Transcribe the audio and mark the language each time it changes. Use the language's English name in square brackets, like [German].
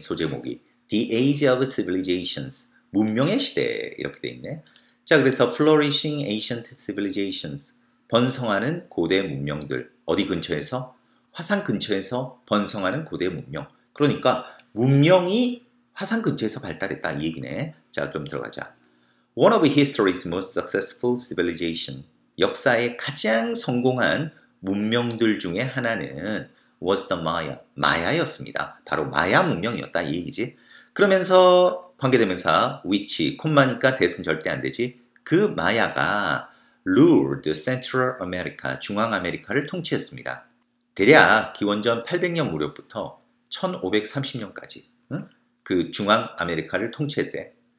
[Korean] 소제목이 [English] The Age of Civilizations, [Korean] 문명의 시대, 이렇게 돼 있네. 자, 그래서 [English] Flourishing Ancient Civilizations, [Korean] 번성하는 고대 문명들. 어디 근처에서? 화산 근처에서 번성하는 고대 문명. 그러니까 문명이 화산 근처에서 발달했다 이 얘기네. 자, 그럼 들어가자. [English] One of history's most successful civilization, [Korean] 역사의 가장 성공한 문명들 중에 하나는 [English] was the Maya, [Korean] 마야였습니다. 바로 마야 문명이었다 이 얘기지. 그러면서 관계대명사 which, 콤마니까 대신 절대 안 되지. 그 마야가 [English] ruled Central America, [Korean] 중앙 아메리카를 통치했습니다. 대략 기원전 800년 무렵부터 1530년까지 그 중앙 아메리카를 통치했대.